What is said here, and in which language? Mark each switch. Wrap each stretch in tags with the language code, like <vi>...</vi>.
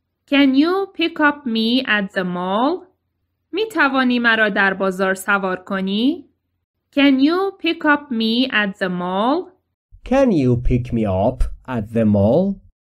<en>Can you pick up me at the mall?</en> <fa>می توانی مرا در بازار سوار کنی؟</fa> <en>Can you pick up me at the mall? Can you pick me up at the mall?</en>